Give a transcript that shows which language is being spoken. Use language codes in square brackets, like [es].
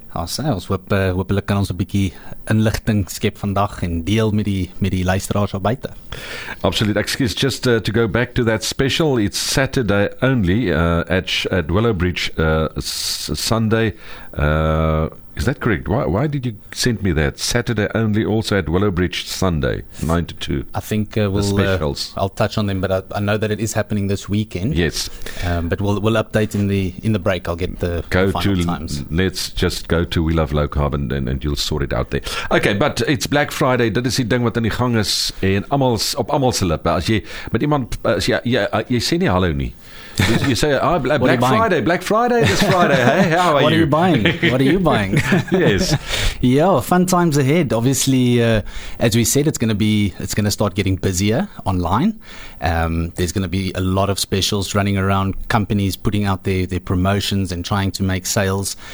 [af] Ons hoop, hulle kan ons 'n bietjie inligting skep vandag en deel met die luisteraars al buite. Absoluut. [en] Excuse, just to go back to that special, it's Saturday only at Willowbridge, Sunday. Is that correct? Why did you send me that? Saturday only, also at Willowbridge, Sunday, 9 to 2. I think I'll touch on them, but I know that it is happening this weekend. Yes. But we'll update in the break. I'll get the final times. Let's just go to We Love Low Carb and you'll sort it out there. Okay, but it's Black Friday. [af] Dit is die ding wat in die gang is en op almal se lippe. As jy met iemand, jy sê nie hallo nie. [en] You say, Black Friday, this Friday, hey, how are you? What are you buying? Yes. Yeah, fun times ahead. Obviously, as we said, it's going to start getting busier online. There's going to be a lot of specials running around, companies putting out their promotions and trying to make sales.